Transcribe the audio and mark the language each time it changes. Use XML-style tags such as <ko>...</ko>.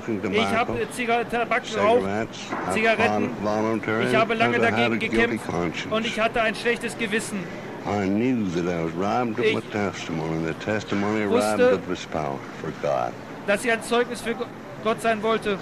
<de>Ich habe Tabak geraucht, Zigaretten. Ich habe lange dagegen gekämpft und ich hatte ein schlechtes Gewissen.</de> <en>I knew that I was robbed of my testimony, and the testimony robbed of his power for God.</en> <de>Dass sie ein Zeugnis für Gott sein wollte.</de>